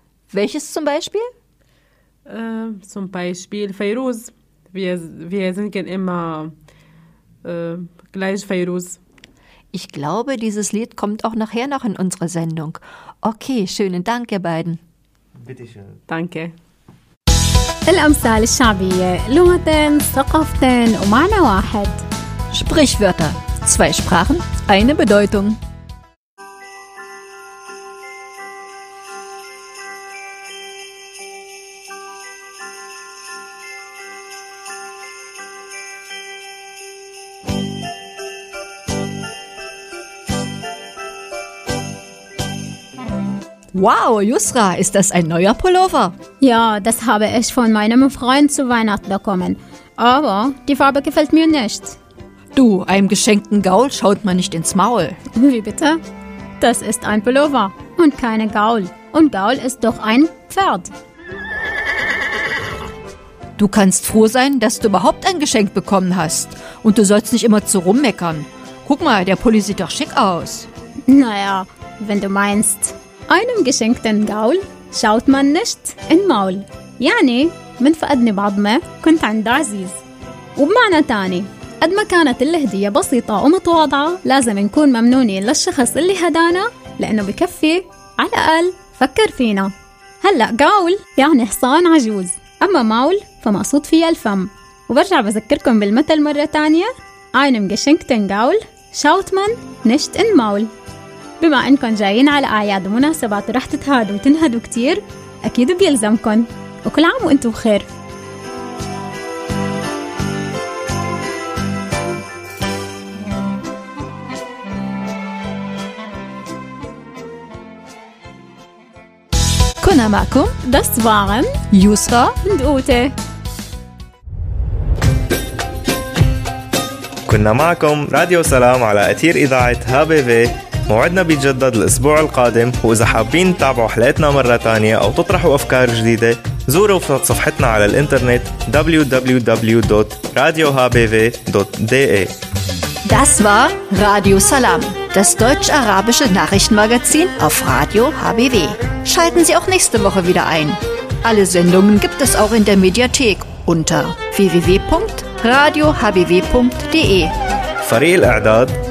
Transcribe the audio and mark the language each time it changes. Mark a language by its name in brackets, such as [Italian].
[German] Welches zum Beispiel? Zum Beispiel Feiruz. Wir singen immer gleich Feiruz. Ich glaube, dieses Lied kommt auch nachher noch in unsere Sendung. Okay, schönen Dank, ihr beiden. Bitte schön. Danke. [Arabic] الأمثال الشعبية لغة ثقافة ومعنى واحد. [German] Sprichwörter. Zwei Sprachen, eine Bedeutung. Wow, Yusra, ist das ein neuer Pullover? Ja, das habe ich von meinem Freund zu Weihnachten bekommen. Aber die Farbe gefällt mir nicht. Du, einem geschenkten Gaul schaut man nicht ins Maul. Wie bitte? Das ist ein Pullover und keine Gaul. Und Gaul ist doch ein Pferd. Du kannst froh sein, dass du überhaupt ein Geschenk bekommen hast. Und du sollst nicht immer zu rummeckern. Guck mal, der Pulli sieht doch schick aus. Naja, wenn du meinst... Einem geschenkten Gaul schaut man nicht in Maul. [Arabic] يعني من فقدنا بعض ما كنت عند عزيز. وبمعنى تاني قد ما كانت الهدية بسيطة ومتواضعة لازم نكون ممنونين للشخص اللي هدانا لأنه بكفي على الأقل فكر فينا. هلأ جاول يعني حصان عجوز أما ماول فمقصود فيها الفم. وبرجع بذكركم بالمثل مرة تانية [German] Einem geschenkten Gaul schaut man nicht in Maul. [Arabic] بما أنكم جايين على أعياد ومناسبات رح تتهادوا وتنهدوا كتير أكيد بيلزمكم وكل عام وأنتم بخير. كنا معكم [German] Das waren [Arabic] يسرى [German] und Ute. [Arabic] كنا معكم راديو سلام على أثير إذاعة هابي في. موعدنا بيتجدد الأسبوع القادم وإذا حابين تتابعوا حلقتنا مرة تانية أو تطرحوا أفكار جديدة زوروا صفحتنا على الإنترنت www.radiohbw.de. [German] Das war Radio Salam, das deutsch-arabische Nachrichtenmagazin auf Radio HBW. Schalten Sie auch nächste Woche wieder ein. Alle Sendungen gibt es auch in der Mediathek unter www.radiohbw.de. Faril Adad.